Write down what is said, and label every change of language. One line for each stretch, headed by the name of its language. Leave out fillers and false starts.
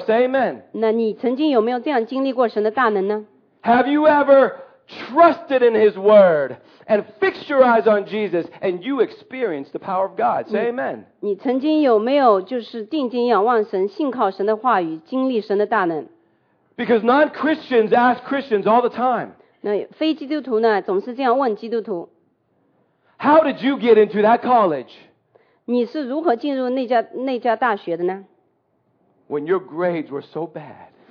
English: Say amen.
Chinese: 那你曾经有没有这样经历过神的大能呢？
English: Have you ever trusted in His word and fixed your eyes on Jesus and you experienced the power of God? Say amen.
Chinese: 你曾经有没有就是定睛仰望神，信靠神的话语，经历神的大能？
English: Because non-Christians ask Christians all the time.
Chinese: 那非基督徒呢，总是这样问基督徒。
English: How did you get into that college?
Chinese: 你是如何进入那家大学的呢？
English: When your grades were so bad.